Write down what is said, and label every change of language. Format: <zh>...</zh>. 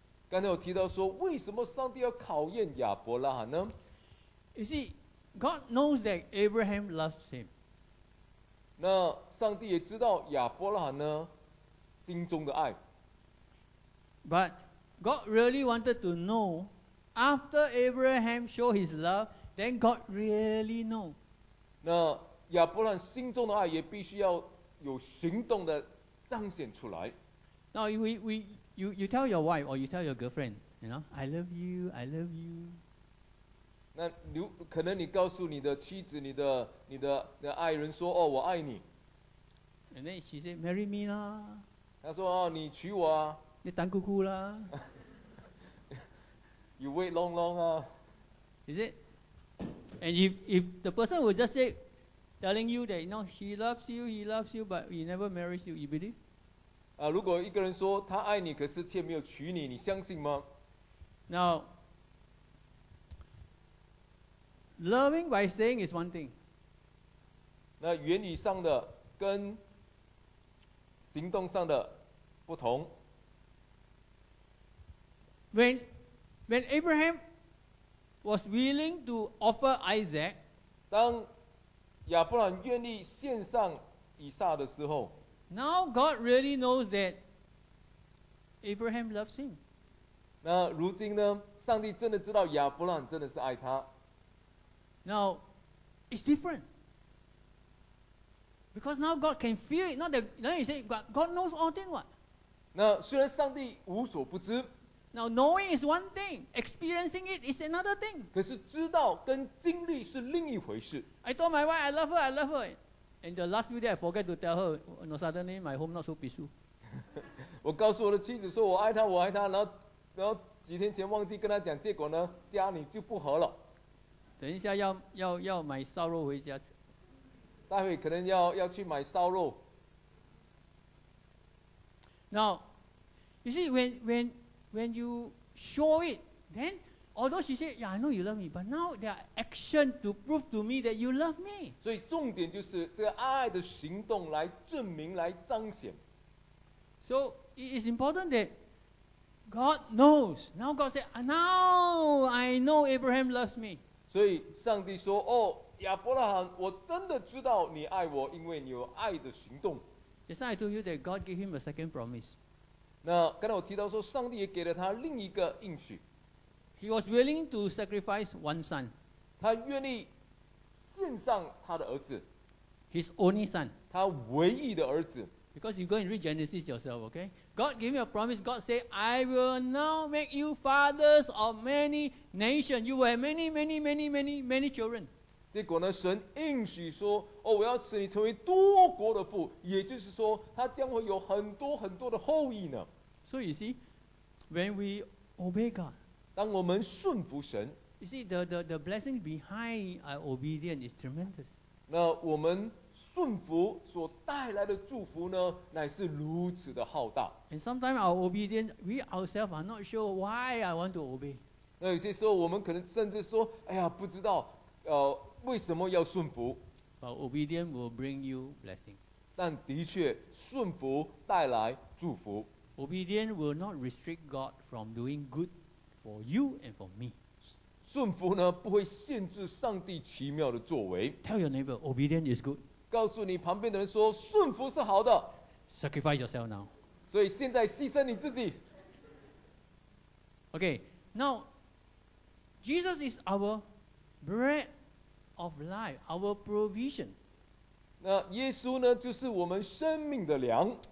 <zh>刚才我提到说，为什么上帝要考验亚伯拉罕呢？</zh> <en>You see, God knows that Abraham loves him.</en> <zh>那上帝也知道亚伯拉罕呢心中的爱。</zh> <en>But God really wanted to know after Abraham showed his love, then God really know.</en> <zh>那亚伯拉罕心中的爱也必须要有行动的彰显出来。</zh> <en>Now you tell your wife or you tell your girlfriend, you know, I love you, I love you.</en> <zh>那你可能你告诉你的妻子、你的爱人说：“哦，我爱你。”</zh> <en>And then she said, "Marry me 啦。”</en> <zh>他说：“哦，你娶我啊。” 你当姑姑啦。</zh> <en>You wait long long 啊。 Is it? And if the person will just say, telling you that you know she loves you, he loves you, but he never marries you, you believe?</en> <zh>啊，如果一个人说他爱你，可是却没有娶你，你相信吗</zh> <en>？Now. Loving by saying is one thing.</en> <zh>那言语上的跟行动上的不同。</zh> <en>When Abraham was willing to offer Isaac,</en> <zh>当亚伯兰愿意献上以撒的时候</zh> <en>，Now God really knows that Abraham loves him.</en> <zh>那如今呢，上帝真的知道亚伯兰真的是爱他。</zh> <en>Now, it's different. Because now God can feel it. Not that, now you say, but God knows all things. What?</en> <zh>那虽然上帝无所不知。</zh> <en>Now, knowing is one thing. Experiencing it is another thing.</en> <zh>可是知道跟经历是另一回事。</zh> <en>I told my wife, I love her, I love her. And the last few days, I forget to tell her, you know, suddenly my home not so peaceful.</en> <zh>我告诉我的妻子说我爱她，我爱她，然后几天前忘记跟她讲，结果呢，家里就不和了。等一下要买烧肉回家吃，待会可能要去买烧肉。</zh> <en>Now, you see when you show it, then although she said, "Yeah, I know you love me," but now there are action to prove to me that you love me.</en> <zh>所以重点就是这个爱的行动来证明来彰显。</zh> <en>So it is important that God knows. Now God said, "Now I know Abraham loves me."</en> <zh>所以上帝说：“哦，亚伯拉罕，我真的知道你爱我，因为你有爱的行动。”</zh> <en>Yes, I told you that God gave him a second promise.</en> <zh>那刚才我提到说，上帝也给了他另一个应许。</zh> <en>He was willing to sacrifice one son.</en> <zh>他愿意献上他的儿子。</zh> <en>His only son.</en> <zh>他唯一的儿子。</zh> <en>Because you go and read Genesis yourself, okay? God gave him a promise. God said, I will now make you fathers of many nations. You will have many, many, many, many, many children.</en> <zh>结果呢，神应许说，哦，我要使你成为多国的父，也就是说，他将会有很多很多的后裔呢。</zh> <en>So you see, when we obey God,</en> <zh>当我们顺服神</zh> <en>you see, the blessing behind our obedience is tremendous.</en> <zh>那我们顺服所带来的祝福呢，乃是如此的浩大。</zh> <en>And sometimes our obedience, we ourselves are not sure why I want to obey.</en> <zh>那有些时候我们可能甚至说，哎呀，不知道，为什么要顺服。</zh> <en>But obedience will bring you blessing.</en> <zh>但的确，顺服带来祝福。</zh> <en>Obedience will not restrict God from doing good for you and for me.</en> <zh>顺服呢，不会限制上帝奇妙的作为。</zh> <en>Tell your neighbor, obedience is good.</en> <zh>告诉你旁边的人说，顺服是好的。</zh> <en>Sacrifice yourself now.</en> <zh>所以现在牺牲你自己。</zh> <en>Okay, now Jesus is our bread of life, our provision.</en> <zh>那耶稣呢，就是我们生命的粮。</zh>